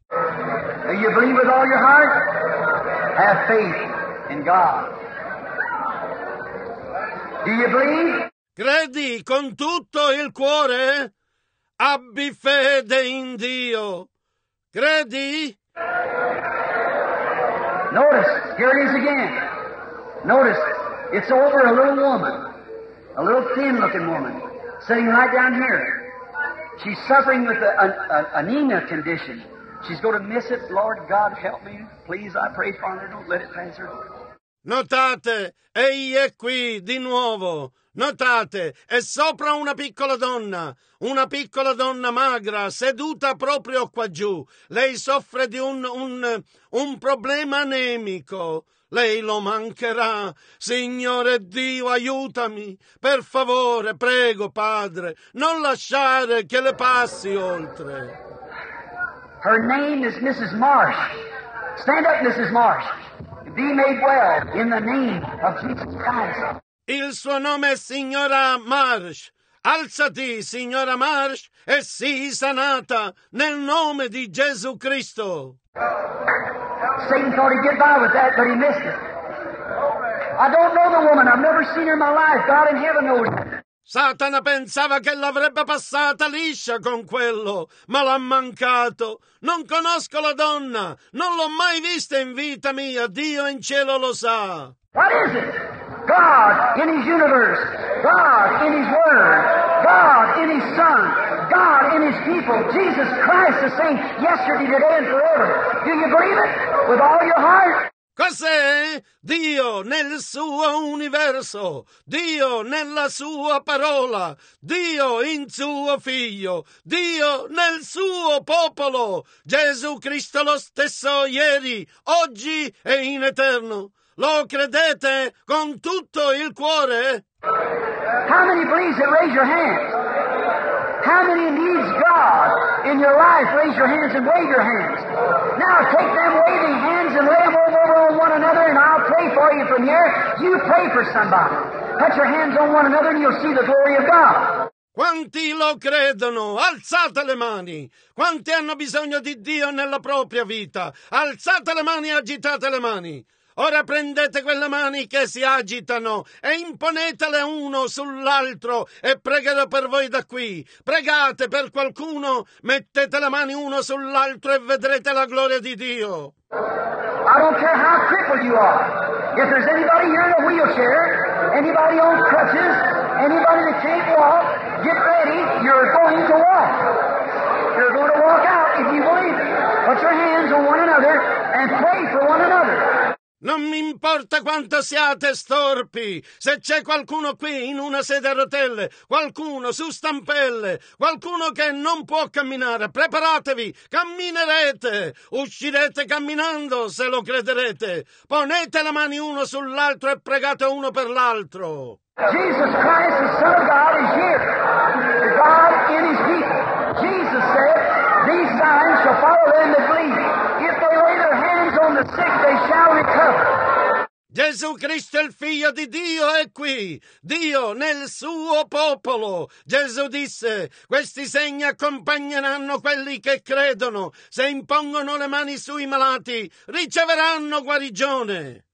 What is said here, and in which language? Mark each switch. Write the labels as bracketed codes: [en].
[en] Do you believe with all your heart? Have faith in God. Do you believe? [it] Credi con tutto il cuore? Abbi fede in Dio. Credi? [en] Notice, here it is again. Notice, it's over a little woman, a little thin looking woman, sitting right down here. She's suffering with an anemia condition. She's going to miss it. Lord God, help me. Please, I pray, Father, don't let it pass her. [it] Notate, egli è qui di nuovo. Notate, è sopra una piccola donna magra, seduta proprio qua giù. Lei soffre di un problema anemico. Lei lo mancherà. Signore Dio, aiutami. Per favore, prego, Padre, non lasciare che le passi oltre. [en] Her name is Mrs. Marsh. Stand up, Mrs. Marsh. Be made well in the name of Jesus Christ. [it] Il suo nome è Signora Marsh. Alzati, Signora Marsh, e sii sanata nel nome di Gesù Cristo. [en] Satan thought he'd get by with that, but he missed it. I don't know the woman. I've never seen her in my life. God in heaven knows her. [it] Satana pensava che l'avrebbe passata liscia con quello, ma l'ha mancato. Non conosco la donna. Non l'ho mai vista in vita mia. Dio in cielo lo sa. [en] What is it? God in His universe, God in His Word, God in His Son, God in His people, Jesus Christ the same yesterday, today and forever. Do you believe it with all your heart? [it] Cos'è? Dio nel suo universo, Dio nella sua parola, Dio in suo figlio, Dio nel suo popolo, Gesù Cristo lo stesso ieri, oggi e in eterno. Lo credete con tutto il cuore? [en] How many believes it? Raise your hands. How many needs God in your life? Raise your hands and wave your hands. Now take them waving hands and lay them over on one another and I'll pray for you from here. You pray for somebody. Put your hands on one another and you'll see the glory of God. [it] Quanti lo credono? Alzate le mani! Quanti hanno bisogno di Dio nella propria vita? Alzate le mani e agitate le mani! Ora prendete quelle mani che si agitano e imponetele uno sull'altro e pregherò per voi da qui. Pregate per qualcuno, mettete le mani uno sull'altro e vedrete la gloria di Dio. [en] I don't care how crippled you are. If there's anybody here in a wheelchair, anybody on crutches, anybody that can't walk, get ready, you're going to walk. You're going to walk out if you believe. Put your hands on one another and pray for one another. [it] Non mi importa quanto siate storpi, se c'è qualcuno qui in una sedia a rotelle, qualcuno su stampelle, qualcuno che non può camminare, preparatevi, camminerete, uscirete camminando se lo crederete, ponete le mani uno sull'altro e pregate uno per l'altro. [en] Jesus Christ, the Son of God, is here. God in his people. Jesus said, these signs shall follow them that believe. If they lay their hands on the sick, they shall recover. [it] Gesù Cristo è il figlio di Dio, è qui, Dio nel suo popolo. Gesù disse, questi segni accompagneranno quelli che credono. Se impongono le mani sui malati, riceveranno guarigione.